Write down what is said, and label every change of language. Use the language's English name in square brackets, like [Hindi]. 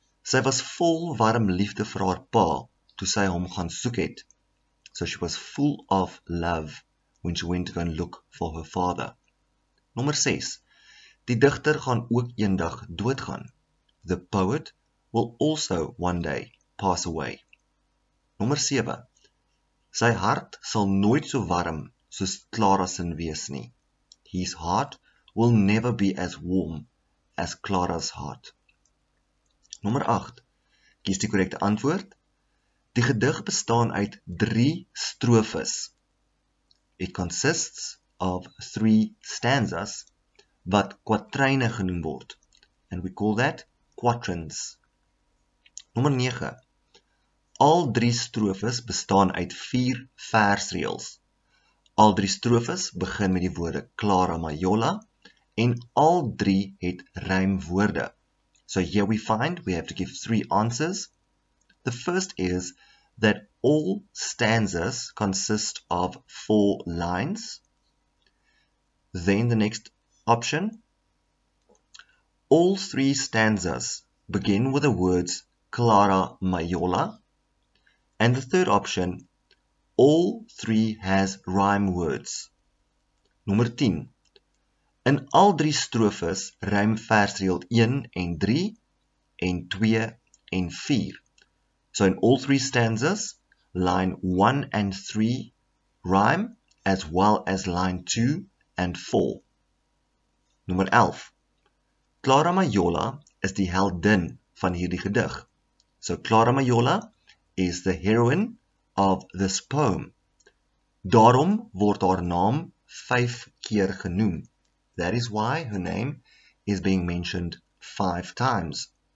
[Afrikaans] Sy was vol warm liefde vir haar pa toe sy hom gaan soek het. [English] So she was full of love when she went to go and look for her father. [Afrikaans] Nommer 6. Die digter gaan ook eendag doodgaan. [English] The poet will also one day pass away. [Afrikaans] Nommer 7. Sy hart sal nooit so warm soos Klara sin wees nie. [English] His heart will never be as warm as Klara's heart. [Afrikaans] Nommer 8. Kies die korrekte antwoord. Die gedig bestaan uit 3 strofes. [English] It consists of 3 stanzas [Afrikaans] wat kwatryne genoem word. [English] And we call that quatrains. [Afrikaans] Nommer 9. Al 3 strofes bestaan uit 4 versreels. Al 3 strofes begin met die woorde Klara Majola en al 3 het rymwoorde. [English] So here we find we have to give 3 answers. The first is that all stanzas consist of 4 lines. Then the next option. All 3 stanzas begin with the words Klara Majola. And the third option, all 3 has rhyme words. [Afrikaans] Nommer 10. In al 3 strofes rym versreel 1 en 3 en 2 en 4. [English] So in all 3 stanzas, line 1 and 3 rhyme as well as line 2 and 4. [Afrikaans] Nommer 11. Klara Majola is die heldin van hierdie gedig. [English] So Klara Majola is the heroine of this poem. [Afrikaans] Daarom word haar naam 5 keer genoem. [English] That is why her name is being mentioned 5 times.